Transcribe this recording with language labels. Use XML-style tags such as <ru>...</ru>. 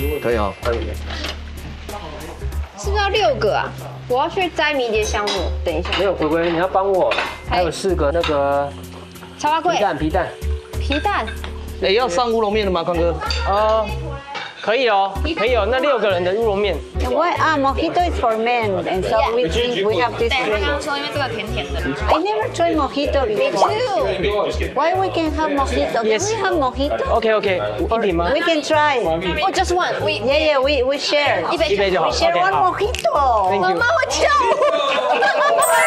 <zh>是问。可以啊、哦。是不是要六个啊？我要去摘迷迭香了，等一下。没有，鬼鬼，你要帮我。还有四个那个。茶花桂。皮蛋。皮蛋。哎，要上乌龙面了吗，康哥？啊。可以哦，可以哦，那六个人的乌龙面。</zh> <en>Why ah mojito is for men and so we think we have this.</en> <zh>对，他刚刚说因为这个甜甜的。</zh> <en>I never tried mojito before. Me too. Why we can have mojito? Yes. We have mojito. Okay, okay.</en> <zh>一瓶吗</zh> <en>？We can try. Oh, just one. We yeah yeah we share.</en> <zh>一杯就好。</zh> <en>We share one mojito.</en> <zh>妈妈我跳舞。</zh>